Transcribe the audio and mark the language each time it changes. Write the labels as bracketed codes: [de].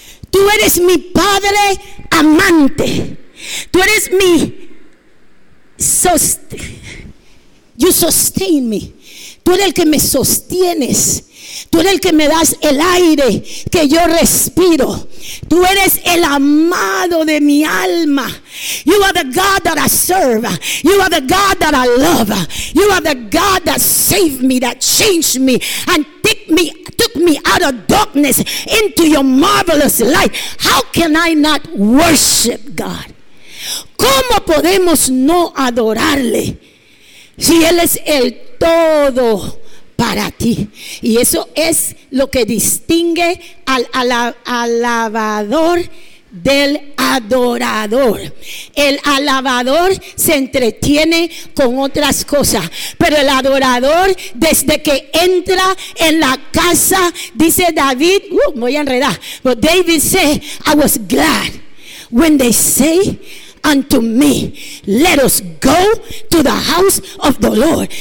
[es] Tú eres mi padre amante. Tú eres mi [en] you sustain me. [es] Tú eres el que me sostienes. Tú eres el que me das el aire que yo respiro. Tú eres el amado de mi alma. [en] You are the God that I serve. You are the God that I love. You are the God that saved me, that changed me, and took me out of darkness into your marvelous light. How can I not worship God? [es] ¿Cómo podemos no adorarle si Él es el todo para ti? Y eso es lo que distingue al alabador del adorador. El alabador se entretiene con otras cosas, pero el adorador, desde que entra en la casa, dice David, voy a enredar, [en] but David said, I was glad when they say unto me, let us go to the house of the Lord.